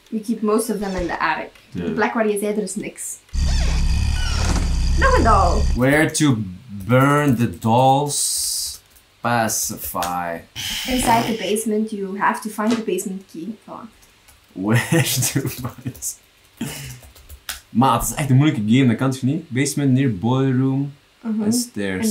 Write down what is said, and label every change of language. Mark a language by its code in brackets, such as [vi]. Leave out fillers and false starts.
[en] You keep most of them in the attic. [nl] De plek waar je zei, er is niks. Nog een doll. [en] Where to burn the dolls? Pacify. Inside the basement, you have to find the basement key. Where to find... [nl] Maar het is echt een moeilijke game, dat kan toch niet? [en] Basement near boiler room [nl] en [en] stairs.